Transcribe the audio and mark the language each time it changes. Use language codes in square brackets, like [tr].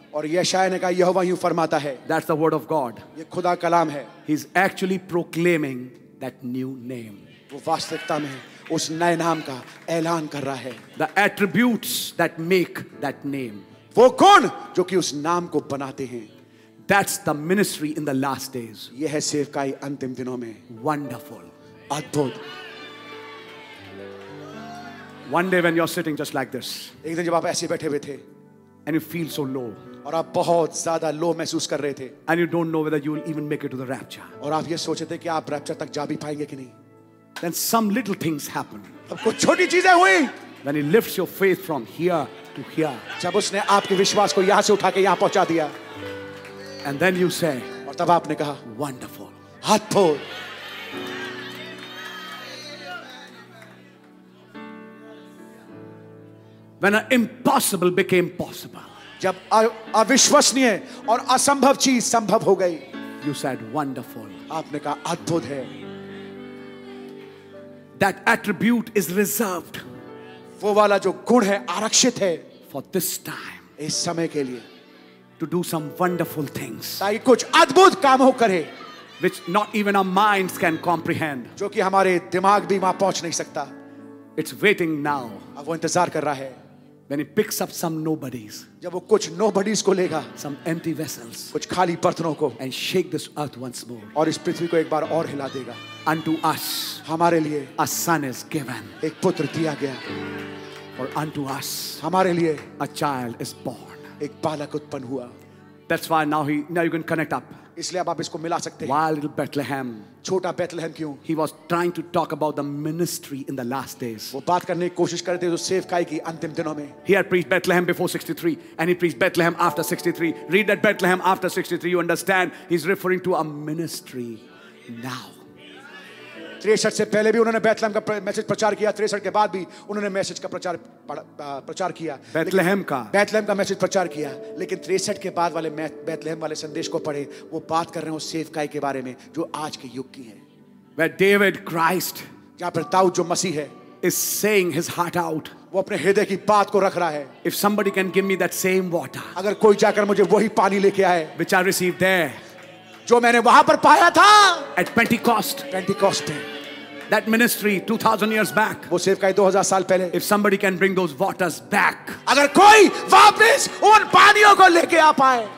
[hi] और यशायाह ने कहा, यहोवा यूं फरमाता है. [en] That's the word of God. [hi] ये खुदा कलाम है. [en] He's actually proclaiming that new name. [hi] वो वास्तविकता में उस नए नाम का ऐलान कर रहा है. [en] The attributes that make that name. [hi] वो कौन जो कि उस नाम को बनाते हैं. [en] That's the ministry in the last days. [hi] ये है सेवकाई अंतिम दिनों में. [en] Wonderful. [hi] अद्भुत. [en] One day when you're sitting just like this. [hi] एक दिन जब आप ऐसे बैठे हुए थे. [en] And you feel so low. [hi] और आप बहुत ज्यादा लो महसूस कर रहे थे. [en] And you don't know whether you will even make it to the rapture. [hi] और आप ये सोचे थे कि आप रैप्चर तक जा भी पाएंगे कि नहीं. [en] Then some little things happen. [hi] तब कुछ छोटी चीजें हुई. [en] When he lifts your faith from here to here. [hi] जब उसने आपके विश्वास को यहां से उठा के यहां पहुंचा दिया. [en] And then you say. [hi] और तब आपने कहा, [en] wonderful. [hi] अद्भुत. [en] When an impossible became possible. [hi] जब अविश्वसनीय और असंभव चीज संभव हो गई. [en] You said wonderful. [hi] आपने कहा, अद्भुत है. [en] That attribute is reserved. [hi] वो वाला जो गुण है आरक्षित है. [en] For this time. [hi] इस समय के लिए. [en] To do some wonderful things. [hi] ताकि कुछ अद्भुत काम हो करे. [en] Which not even our minds can comprehend. [hi] जो कि हमारे दिमाग भी वहां पहुंच नहीं सकता. [en] It's waiting now. [hi] अब वो इंतजार कर रहा है. [en] When he picks up some nobodies. [hi] जब वो कुछ nobodies को लेगा. [en] Some empty vessels. [hi] कुछ खाली बर्तनों को. [en] And shake this earth once more. [hi] और इस पृथ्वी को एक बार और हिला देगा. [en] Unto us. [hi] हमारे लिए. [en] A son is given. [hi] एक पुत्र दिया गया. [en] For unto us. [hi] हमारे लिए. [en] A child is born. [hi] एक बालक उत्पन्न हुआ. [en] That's why now you can connect up. [hi] इसलिए आप इसको मिला सकते [en] हैं. While little Bethlehem. [hi] छोटा बेथलहम क्यों? [en] He was trying to talk about the ministry in the last days. [hi] वो बात करने की कोशिश कर रहे थे जो सेवकाई की अंतिम दिनों में. [en] He had preached Bethlehem before 63 and he preached Bethlehem after 63. Read that Bethlehem after 63. You understand? He's referring to a ministry now. [hi] 63 से पहले भी उन्होंने बेथलहम का मैसेज प्रचार किया. 63 के बाद भी उन्होंने मैसेज का प्रचार किया. बेथलहम का मैसेज प्रचार किया. लेकिन 63 के बाद वाले बेथलहम वाले संदेश को पढ़े, वो बात कर रहे हैं उस सेवकाई के बारे में जो आज के युग की है. [en] Where David Christ, [hi] जहां पर दाऊद जो मसीह है, [en] is saying his heart out. [hi] वो अपने हृदय की बात को रख रहा है. [en] If somebody can give me that same water, [hi] अगर कोई जाकर मुझे वही पानी लेके आए, [en] which I received there, [hi] जो मैंने वहां पर पाया था, [en] at Pentecost. That ministry 2000 years back. [hi] वो सेवकाई 2000 साल पहले. [en] If somebody can bring those waters back. [hi] अगर कोई वापस उन पानियों को लेके आ पाए.